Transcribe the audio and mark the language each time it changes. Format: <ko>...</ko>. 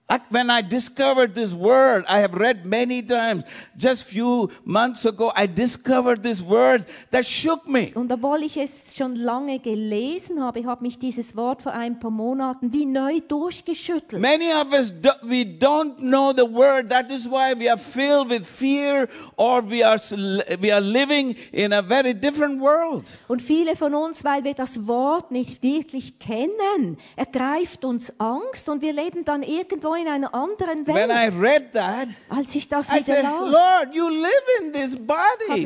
<en>When I discovered this word, I have read many times, just few months ago, I discovered this word that shook me.</en> <de>Und obwohl ich es schon lange gelesen habe, habe mich dieses Wort vor ein paar Monaten wie neu durchgeschüttelt.</de> <en>Many of us, we don't know the word. That is why we are filled with fear or we are living in a very different world.</en> <de>Und viele von uns, weil wir das Wort nicht wirklich kennen, ergreift uns Angst und wir leben dann irgendwo in einer anderen Welt.</de> <en>When I read that,</en> <de>als ich das</de> <en>I said, Lord, you live in this body.</en>